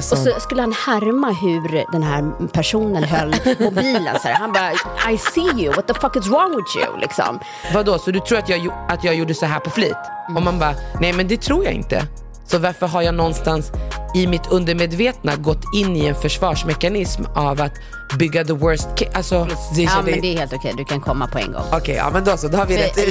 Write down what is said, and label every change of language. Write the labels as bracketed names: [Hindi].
[Swedish] sånt. Och så skulle han härma hur den här personen höll mobilen så här. Han bara, [English] I see you, what the fuck is wrong with you? [Swedish] Liksom. Vadå, så du tror att jag gjorde så här på flit? Mm. Och man bara, nej men det tror jag inte. Så varför har jag någonstans i mitt undermedvetna gått in i en försvarsmekanism av att bygga [English] the worst case? [Swedish] Alltså, ja, men det är helt okej. Du kan komma på en gång. Okej, ja, men då, så, då har vi rätt.